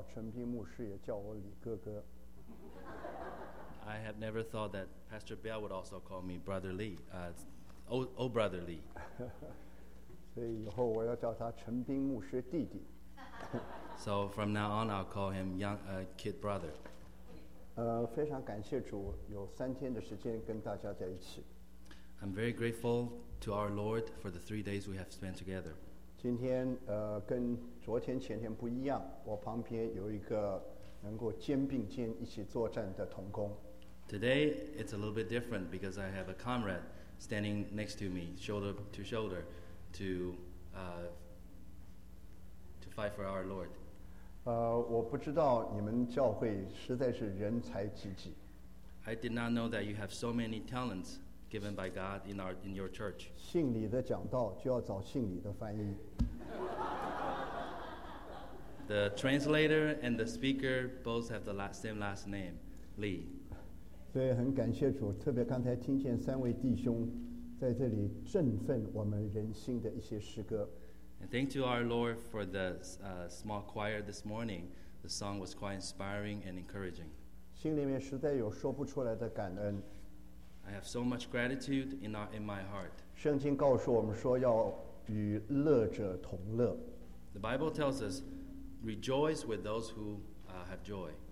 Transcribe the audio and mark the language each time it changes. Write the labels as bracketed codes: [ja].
[zh] 陈斌牧师也叫我李哥哥。 [en] I have never thought that Pastor Bell would also call me Brother Lee, old Brother Lee. [zh] 所以以后我要叫他陈斌牧师弟弟。 [en] So from now on, I'll call him young, kid brother. [zh] 非常感谢主，有三天的时间跟大家在一起。 [en] I'm very grateful to our Lord for the 3 days we have spent together. [zh] 今天跟昨天前天不一样，我旁边有一个能够肩并肩一起作战的同工。 [en] Today it's a little bit different because I have a comrade standing next to me, shoulder to shoulder, to fight for our Lord. [zh] 我不知道你们教会实在是人才济济。 [en] I did not know that you have so many talents given by God in your church. [zh] 信理的讲道就要找信理的翻译。 [en] The translator and the speaker both have the same last name, Lee. [zh] 所以很感谢主，特别刚才听见三位弟兄在这里振奋我们人心的一些诗歌。 [en] And thank to our Lord for the small choir this morning. The song was quite inspiring and encouraging. [zh] 心里面实在有说不出来的感恩。 [en] I have so much gratitude in my heart. [zh] 圣经告诉我们说要与乐者同乐。 [en] The Bible tells us, rejoice with those who have joy.